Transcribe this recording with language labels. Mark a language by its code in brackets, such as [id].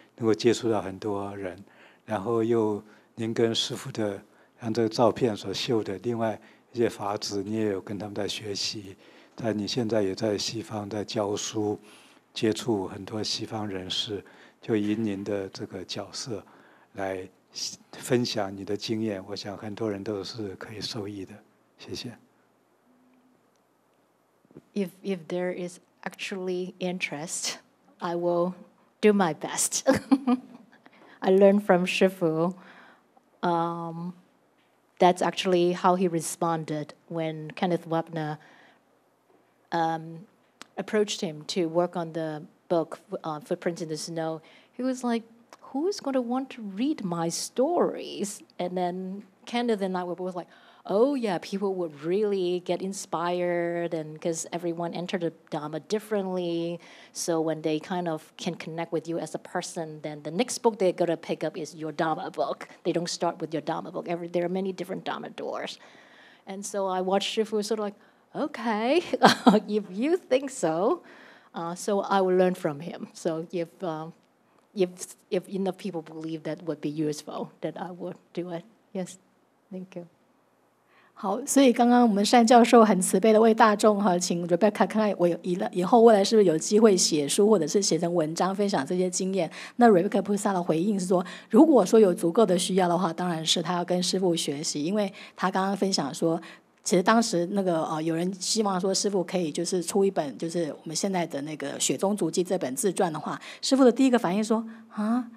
[zh] 能够接触到很多人，然后又您跟师父的像这个照片所秀的另外一些法子，你也有跟他们在学习，在你现在也在西方在教书，接触很多西方人士，就以您的这个角色来分享你的经验，我想很多人都是可以受益的。谢谢。 [en] If there is actually interest, I will do my best. I learned from Shifu. That's actually how he responded when Kenneth Wapner approached him to work on the book Footprints in the Snow. He was like, who is going to want to read my stories? And then Kenneth and I were both like, oh yeah, people would really get inspired, and because everyone entered the Dhamma differently, so when they kind of can connect with you as a person, then the next book they're going to pick up is your Dhamma book. They don't start with your Dhamma book. There are many different Dhamma doors. And so I watched Shifu sort of like, okay, if you think so, so I will learn from him. So if enough people believe that would be useful, then I will do it. Yes, thank you. [zh] 好，所以刚刚我们善教授很慈悲的为大众哈，请 Rebecca 看看我以后未来是不是有机会写书或者是写成文章分享这些经验。那 Rebecca 菩萨的回应是说，如果说有足够的需要的话，当然是他要跟师父学习，因为他刚刚分享说，其实当时那个有人希望说师父可以就是出一本就是我们现在的那个《雪中足迹》这本自传的话，师父的第一个反应说啊。